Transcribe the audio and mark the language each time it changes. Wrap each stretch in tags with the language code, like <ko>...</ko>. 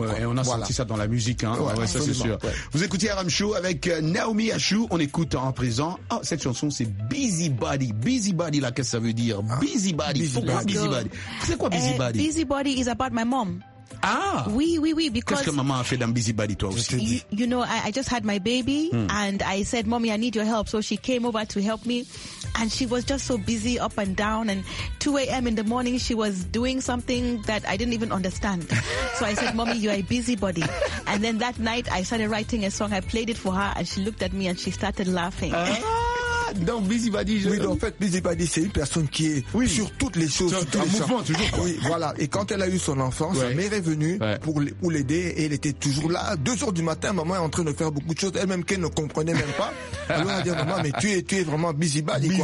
<fr>Ouais, et on a senti ça dans la musique, hein. Ça c'est sûr. Ouais. Vous écoutez Aram Show avec Naomi Achou, on écoute en présent. Oh, cette chanson, c'est Busybody. Busybody, là, qu'est-ce que ça veut dire? Busybody. Pourquoi Busybody? C'est quoi Busybody?</fr> <en>Busybody is about my mom.</en> <fr>Oui,</fr> <en>because...</en> <fr>Qu'est-ce que maman a fait dans Busybody, toi aussi?</fr> <en>You know, I just had my baby, and I said, Mommy, I need your help. So she came over to help me, and she was just so busy up and down, and 2 a.m. in the morning, she was doing something that I didn't even understand. So I said, Mommy, you're a busybody. And then that night, I started writing a song. I played it for her, and she looked at me, and she started laughing.</en> <fr>Donc Busybody, en fait, Busybody, c'est une personne qui est sur toutes les choses, sur tous les mouvements, toujours. Oui, voilà. Et quand elle a eu son enfant, sa mère est venue pour l'aider, et elle était toujours là. 2 heures du matin, maman est en train de faire beaucoup de choses, elle-même qu'elle ne comprenait même pas. Alors elle a dit, maman, mais tu es vraiment Busybody, quoi.</fr>